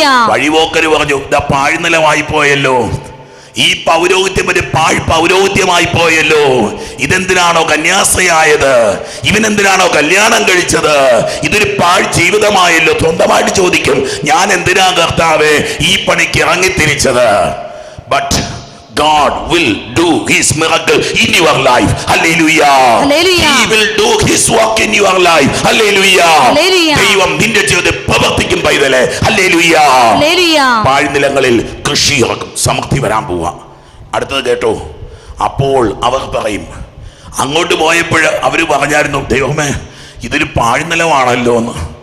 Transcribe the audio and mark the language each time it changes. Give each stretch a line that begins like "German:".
Malayalam: വഴിപോക്കര് പറഞ്ഞു, പാഴ്നിലമായി പോയല്ലോ ഈ പൗരോഹിത്യം, ഒരു പാഴ് പൗരോഹിത്യമായി പോയല്ലോ. ഇതെന്തിനാണോ കന്യാസ്ത്രീയായത്, ഇവനെന്തിനാണോ കല്യാണം കഴിച്ചത്, ഇതൊരു പാഴ് ജീവിതമായല്ലോ. സ്വന്തമായിട്ട് ചോദിക്കും, ഞാൻ എന്തിനാ കർത്താവേ ഈ പണിക്ക് ഇറങ്ങിത്തിരിച്ചത്.
English: But God will do his miracle in your life. Hallelujah. Hallelujah. He will do his work in your life. Hallelujah. Hallelujah.
Malayalam: ദൈവം നിന്റെ ജീവിതത്തെ പ്രവർത്തിക്കും പൈതലേ.
English: Hallelujah. Hallelujah.
Malayalam: പാഴ്നിലങ്ങളിൽ കൃഷി ഇറക്കും, സമൃദ്ധി വരാൻ പോവാം. അടുത്തത് കേട്ടോ. അപ്പോൾ അവർ പറയും, അങ്ങോട്ട് പോയപ്പോൾ അവർ പറഞ്ഞായിരുന്നു, ദൈവമേ ഇതൊരു പാഴ്നിലമാണല്ലോ എന്ന്.